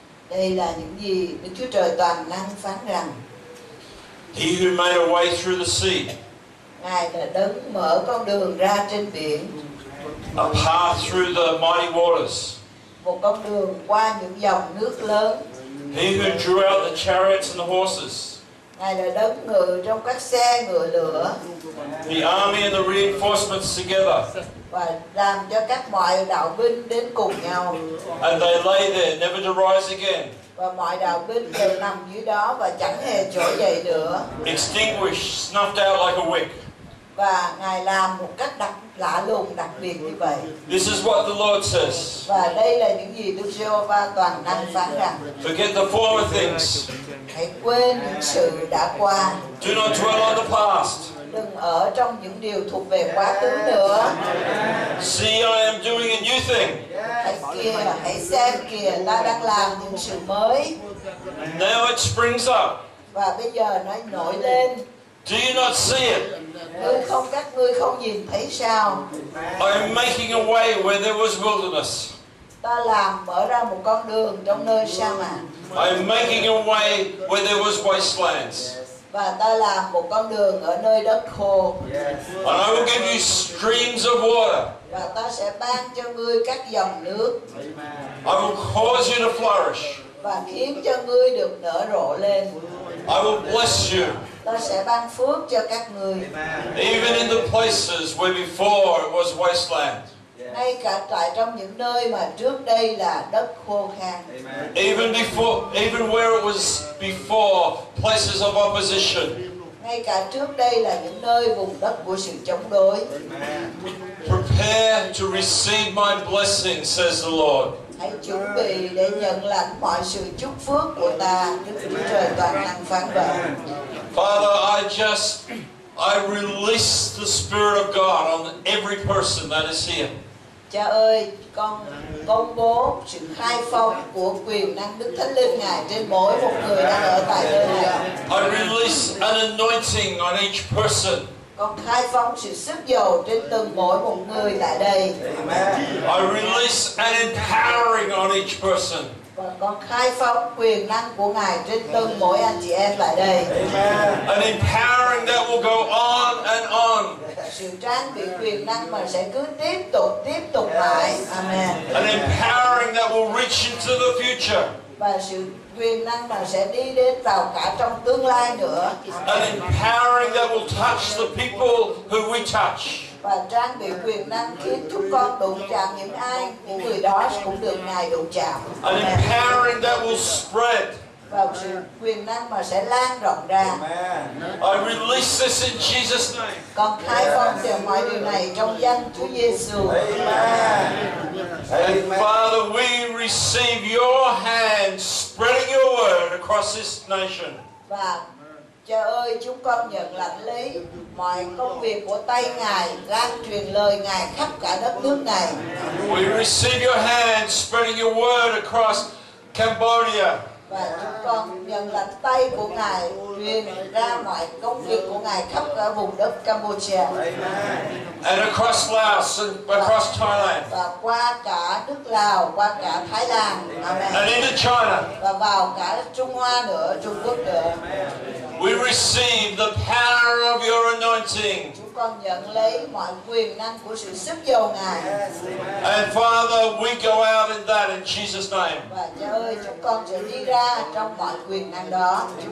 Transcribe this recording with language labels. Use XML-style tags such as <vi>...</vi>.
<vi>Đây là những gì Đức Chúa Trời toàn năng phán rằng.</vi> <en>He who made a way through the sea.</en> <vi>Ngài đã đấng mở con đường ra trên biển.</vi> <en>A path through the mighty waters.</en> <vi>Một con đường qua những dòng nước lớn.</vi> <en>He who drew out the chariots and the horses.</en> <vi>Ngài đã đấng ngự trong các xe ngựa lửa.</vi> <en>The army and the reinforcements together.</en> <vi>Và làm cho các mọi đạo binh đến cùng nhau.</vi> <en>And they lay there, never to rise again.</en> <vi>Và mọi đạo binh đều nằm dưới đó và chẳng hề trỗi dậy nữa.</vi> <en>Extinguished, snuffed out like a wick.</en> <vi>Và Ngài làm một cách đặc lạ lùng, đặc biệt như vậy.</vi> <en>This is what the Lord says.</en> <vi>Và đây là những gì Đức Giê-hô-va toàn năng phán rằng.</vi> <en>Forget the former things.</en> <vi>Hãy quên những sự đã qua.</vi> <en>Do not dwell on the past.</en> <vi>Đừng ở trong những điều thuộc về quá khứ nữa.</vi> <en>See, I am doing a new thing.</en> <vi>Hãy xem kìa, ta đang làm những sự mới.</vi> <en>Now it springs up.</en> <vi>Và bây giờ nó nổi lên.</vi> <en>Do you not see it?</en> <vi>Người không, các ngươi không nhìn thấy sao?</vi> <en>I am making a way where there was wilderness.</en> <vi>Ta làm mở ra một con đường trong nơi sa mạc.</vi> <en>I am making a way where there was wastelands.</en> <vi>Và ta làm một con đường ở nơi đất khô.</vi> <en>And I will give you streams of water.</en> <vi>Và ta sẽ ban cho ngươi các dòng nước.</vi> <en>I will cause you to flourish.</en> <vi>Và khiến cho ngươi được nở rộ lên.</vi> <en>I will bless you.</en> <vi>Ta sẽ ban phước cho các ngươi.</vi> <en>Even in the places where before it was wasteland.</en> <vi>Ngay cả tại trong những nơi mà trước đây là đất khô khan.</vi> <en>Even before, even where it was before, places of opposition.</en> <vi>Ngay cả trước đây là những nơi vùng đất của sự chống đối.</vi> <en>Prepare to receive my blessing, says the Lord.</en> <vi>Hãy chuẩn bị để nhận lãnh mọi sự chúc phước của ta, Đức Chúa Trời toàn năng phán vậy.</vi> <en>Father, I release the Spirit of God on every person that is here.</en> <vi>Cha ơi, con công bố sự khai phong của quyền năng Đức Thánh Linh Ngài trên mỗi một người đang ở tại nơi này.</vi> <en>I release an anointing on each person.</en> <vi>Con khai phong sự sức dầu trên từng mỗi một người tại đây.</vi> <en>I release an empowering on each person.</en> <vi>Con khai phong quyền năng của Ngài trên từng mỗi anh chị em lại đây.</vi> <en>An empowering that will go on and on.</en> <vi>Sự trang bị quyền năng mà sẽ cứ tiếp tục lại.</vi> <en>Amen. An empowering that will reach into the future.</en> <vi>Và sự quyền năng mà sẽ đi đến vào cả trong tương lai nữa.</vi> <en>An empowering that will touch the people who we touch.</en> <vi>Và trang bị quyền năng khiến chúng con đụng chạm những ai, những người đó cũng được Ngài đụng chạm.</vi> <en>An empowering that will spread.</en> <vi>Và sự quyền năng mà sẽ lan rộng ra.</vi> <en>I release this in Jesus' name.</en> <vi>Con khai phóng tiền mọi điều này trong danh Chúa Giêsu.</vi> <en>Amen. And Father, we receive your hand spreading your word across this nation.</en> <vi>Và Cha ơi, chúng con nhận lãnh lấy mọi công việc của tay Ngài, lan truyền lời Ngài khắp cả đất nước này.</vi> <en>We receive your hand spreading your word across Cambodia.</en> <vi>Và chúng con nhận lãnh tay của Ngài truyền ra mọi công việc của Ngài khắp cả vùng đất Campuchia.</vi> <en>And across Laos and across Thailand.</en> <vi>Và qua cả nước Lào, qua cả Thái Lan.</vi> <en>Amen. And into China.</en> <vi>Và vào cả Trung Hoa nữa, Trung Quốc nữa.</vi> <en>We receive the power of your anointing.</en> <vi>Chúng con nhận lấy mọi quyền năng của sự sức dầu Ngài.</vi> <en>And Father, we go out in that in Jesus' name.</en> <vi>Và Cha ơi, chúng con sẽ đi ra trong mọi quyền năng đó.</vi>